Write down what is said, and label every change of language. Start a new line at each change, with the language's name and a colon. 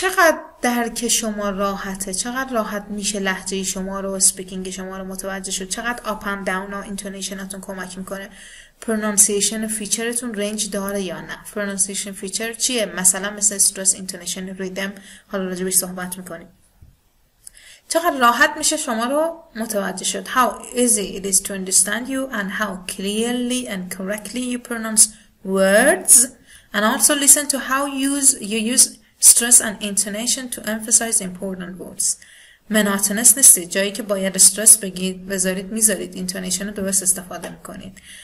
Persian: چقدر درک شما راحته، چقدر راحت میشه لهجه شما رو، اسپیکینگ شما رو متوجه شد، چقدر آپ اند داون و اینتونیشناتون کمک میکنه، پرونانسیشن فیچرتون رنج داره یا نه. پرونانسیشن فیچر چیه؟ مثلا مثل استرس، اینتونیشن، ریدم، حالا راجبش صحبت میکنیم. چقدر راحت میشه شما رو متوجه شد.
English: How easy it is to understand you and how clearly and correctly you pronounce words and also listen to how you use stress and intonation to emphasize important words.
Persian: Monotonous نیستید. جایی که باید استرس بگید بذارید میذارید، اینتونیشن رو درست استفاده میکنید.